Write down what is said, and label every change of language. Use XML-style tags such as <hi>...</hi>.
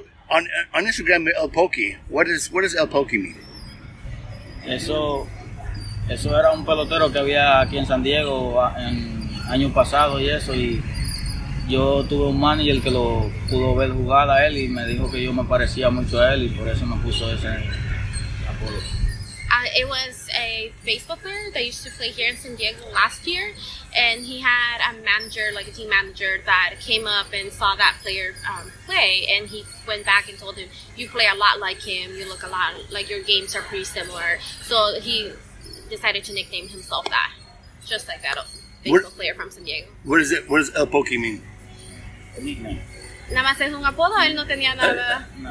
<en>On Instagram, El Pokey, what does El Pokey mean?</en> <es>Eso era un pelotero que había aquí en San Diego en año pasado y eso, y yo tuve un manager que lo pudo ver jugar a él y me dijo que yo me parecía mucho a él y por eso me puso ese apodo.</es> <en>It was a baseball player that used to play here in San Diego last year, and he had a manager, like a team manager, that came up and saw that player play, and he went back and told him, you play a lot like him, you look a lot like your games are pretty similar. So he decided to nickname himself that, just like that, baseball player from San Diego. What does El Pokey mean? Nickname.</en> <es>Nada más es un apodo, él no tenía nada.</es>